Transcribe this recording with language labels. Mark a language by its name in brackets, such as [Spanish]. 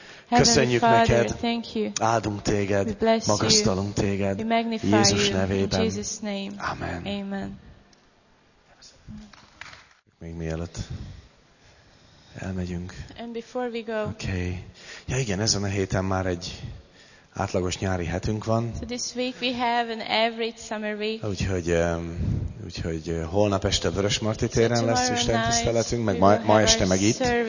[Hungarian] Köszönjük neked, áldunk téged, magasztalunk téged, Jézus nevében. Amen. Még mielőtt elmegyünk. [English] And before we go. Okay. [Hungarian] Ja igen, ezen a héten már egy átlagos nyári hetünk van. [English] So this week we have an average summer week. [Hungarian] Úgyhogy holnap este Vörösmarty téren [English] so [Hungarian] lesz istentiszteletünk, meg ma este meg itt.